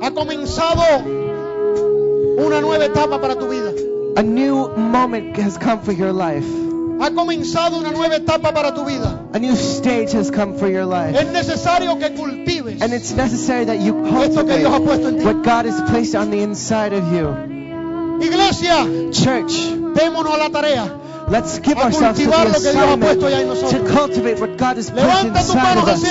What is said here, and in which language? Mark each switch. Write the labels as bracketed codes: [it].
[es] Ha comenzado una nueva etapa para tu vida. [en] A new moment has come for your life. [es] Ha comenzado una nueva etapa para tu vida. [en] A new stage has come for your life. [es] Es necesario que cultives. [en] And it's necessary that you cultivate what God has placed on the inside of you. [es] Iglesia, [en] church, [es] démonos a la tarea. [en] Let's give ourselves to the assignment to cultivate what God has put inside of us.